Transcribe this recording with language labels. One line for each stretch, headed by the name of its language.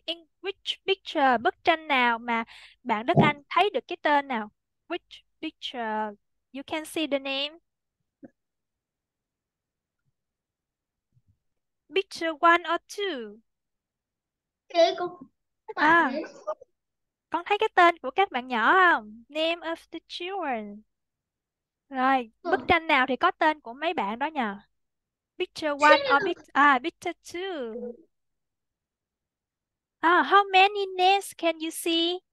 English: In which picture,
Vietnamese: bức tranh nào mà bạn Đức Anh thấy được cái tên nào?
English: Which picture you can see the name? Picture one or two?
Vietnamese: Thế cô các bạn đấy. Con thấy cái tên của các bạn nhỏ không?
English: Name of the children.
Vietnamese: Rồi, bức tranh nào thì có tên của mấy bạn đó nhỉ?
English: Picture one or picture two? How many names can you see?